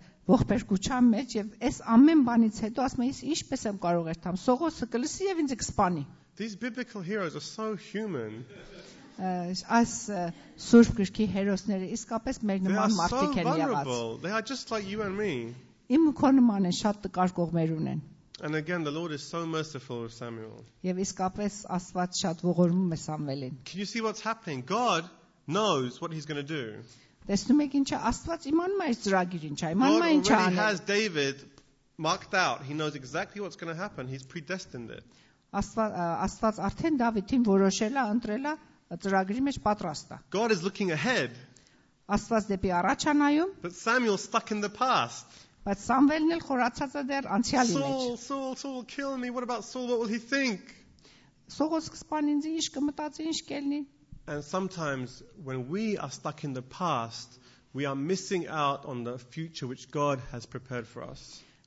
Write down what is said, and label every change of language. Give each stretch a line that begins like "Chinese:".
Armenian: Ողբերգության մեջ եւ այս ամեն բանից հետո ասում է ես ինչպես եմ կարող երթամ Սողոսը կլսի եւ ինձ կսպանի.
English: These biblical heroes are so human.
Armenian: Այս սուրբ գրքի հերոսները իսկապես մեր նման մարդիկ են
English: եղած. They are just like you and me.
Armenian: Իմ ու քո նման են, շատ տկար կողմեր ունեն.
English: And again, the Lord is so merciful with Samuel.
Armenian: Եվ իսկապես Աստված շատ ողորմում է Սամվելին.
English: Can you see what's happening? God knows what he's going to do.
Armenian: Տեսնում եք ինչա Աստված իմանում է իր ծրագիրը ինչա, իմանում է ինչա անել։
English: God already has David marked out. He knows exactly what's going to happen. He's predestined it.
Armenian: Աստված արդեն Դավիթին որոշել է, ընտրել է, ծրագրի մեջ պատրաստ է։
English: God is looking ahead.
Armenian: Աստված դեպի առաջ է նայում։
English: But Samuel stuck in the past.
Armenian: Բայց Սամվելն էլ խորացած է դեռ անցյալի մեջ։
English: Saul, kill me. What about Saul? What will he think?
Armenian: Սողոս կսպան ինձ, ինչ կմտածի, ինչ կելնի։
English: And sometimes when we are stuck in the past, we are missing out on the future which God has prepared for us.